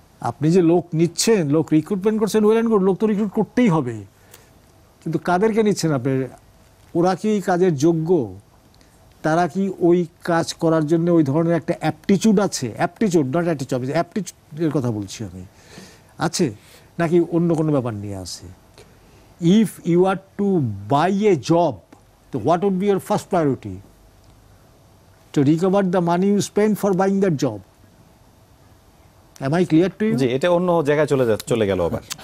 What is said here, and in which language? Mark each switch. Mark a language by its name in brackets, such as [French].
[Bangla] আপনি যে লোক নিচ্ছেন, লোক রিক্রুটমেন্ট করছেন, [English] well and good, [Bangla] লোক তো রিক্রুট করতেই হবে, কিন্তু কাদেরকে নিচ্ছেন আপনি, ওরা কি কাজের যোগ্য, তারা কি ওই কাজ করার জন্য ওই ধরনের একটা অ্যাপটিচিউড আছে, [English] aptitude not অ্যাটিচিউড, [Bangla] অ্যাপটিচিউডের কথা বলছি আমি, আছে নাকি অন্য কোনো ব্যাপার নিয়ে আসে। [English] If you are to buy a job, So what would be your first priority? To recover the money you spent for buying that job. Am I clear to you? [Bangla] জি, এটা অন্য জায়গায় চলে যাচ্ছে, চলে গেল আবার।